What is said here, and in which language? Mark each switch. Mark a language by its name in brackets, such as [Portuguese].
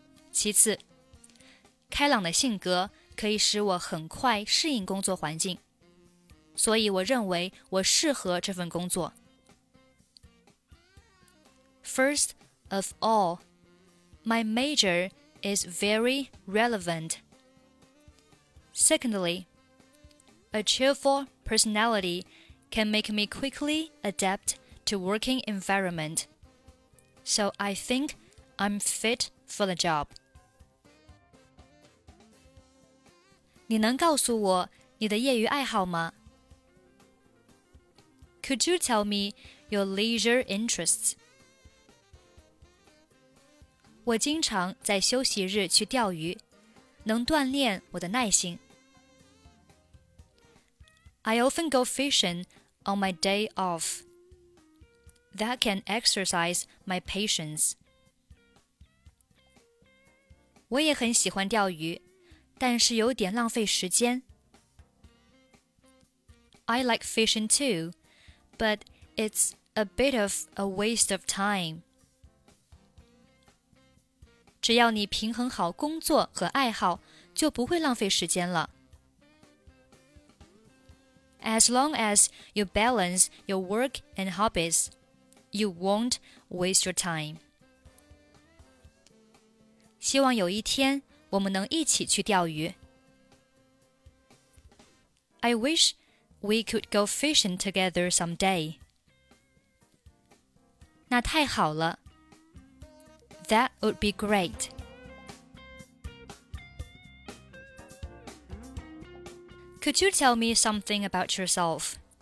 [Chinese] 其次，开朗的性格可以使我很快适应工作环境，所以我认为我适合这份工作。 [English] First of all, my major is very relevant. Secondly, a cheerful personality can make me quickly adapt to working environment. So I think I'm fit for the job. [Chinese] 你能告诉我你的业余爱好吗？ [English] Could you tell me your leisure interests? [Chinese] 我经常在休息日去钓鱼，能锻炼我的耐心。 [English] I often go fishing on my day off. That can exercise my patience. [Chinese] 我也很喜欢钓鱼。但是有点浪费时间。 [English] I like fishing too, but it's a bit of a waste of time. [Chinese] 只要你平衡好工作和爱好，就不会浪费时间了。 [English] As long as you balance your work and hobbies, you won't waste your time. [Chinese] 希望有一天我们能一起去钓鱼。 [English] I wish we could go fishing together someday. [Chinese] 那太好了。 [English] That would be great. 。Could you tell me something about yourself?